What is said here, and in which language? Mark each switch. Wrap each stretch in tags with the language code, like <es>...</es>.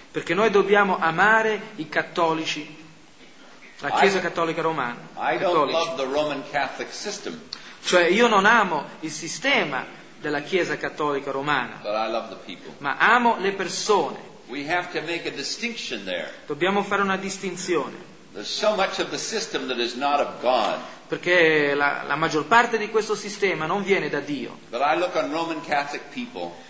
<it>Perché noi dobbiamo amare i cattolici, la Chiesa Cattolica Romana.</it> <en>I don't love the Roman Catholic system.</en> <it>Cioè io non amo il sistema della Chiesa Cattolica Romana,</it> <en>but I love the people.</en> <it>Ma amo le persone.</it> <en>We have to make a distinction there.</en> <it>Dobbiamo fare una distinzione.</it> <en>There's so much of the system that is not of God.</en> <it>Perché la maggior parte di questo sistema non viene da Dio.</it> <en>But I look on Roman Catholic people.</en>